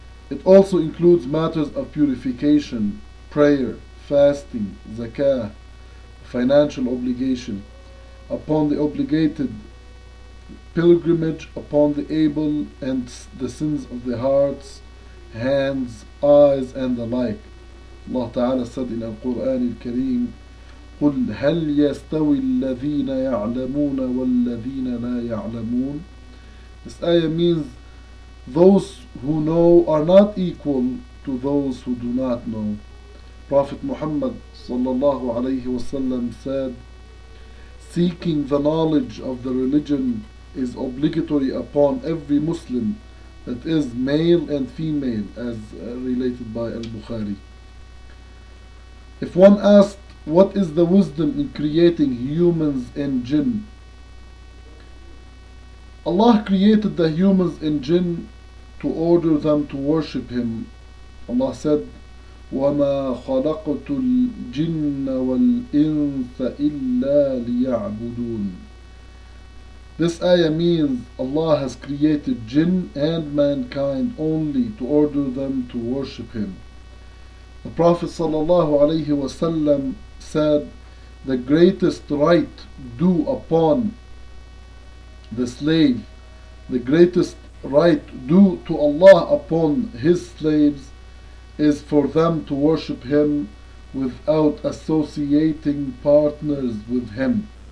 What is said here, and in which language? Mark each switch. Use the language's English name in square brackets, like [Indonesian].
[English] It also includes matters of purification, prayer, fasting, zakah, financial obligation, upon the obligated, pilgrimage upon the able, and the sins of the hearts, hands, eyes, and the like. Allah Ta'ala said in Al-Qur'an Al-Kareem, [Arabic] قُلْ هَلْ يَسْتَوِي الَّذِينَ يَعْلَمُونَ وَالَّذِينَ لَا يَعْلَمُونَ. [English] This ayah means, those who know are not equal to those who do not know. Prophet Muhammad sallallahu alayhi wasallam said, seeking the knowledge of the religion is obligatory upon every Muslim, that is male and female, as related by Al-Bukhari. If one asked, what is the wisdom in creating humans and jinn? Allah created the humans and jinn to order them to worship Him. Allah said, [Arabic] وَمَا خَلَقْتُ الْجِنَّ وَالْإِنْسَ إِلَّا لِيَعْبُدُونَ. [English] This ayah means Allah has created jinn and mankind only to order them to worship Him. The Prophet sallallahu alayhi wasallam said, the greatest right due upon the slave, the greatest right due to Allah upon His slaves is for them to worship Him without associating partners with Him.